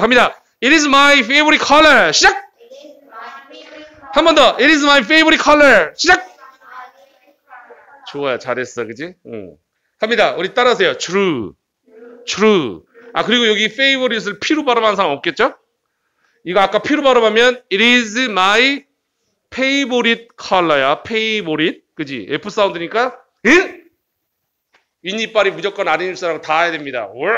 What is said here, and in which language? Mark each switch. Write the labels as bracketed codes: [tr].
[ko] 갑니다. [en] It is my favorite color. [ko] 시작! 한 번 더. [en] It is my favorite color. [ko] 시작! 좋아요. 잘했어. 그지? 응. 갑니다. 우리 따라하세요. [en] True. True. [ko] 아, 그리고 여기 favorite을 P로 발음하는 사람 없겠죠? 이거 아까 P로 발음하면 [en] It is my favorite color [ko] 야. Favorite. 그지? F 사운드니까. 응? 윗니빨이 무조건 아닌 사람 다 해야 됩니다.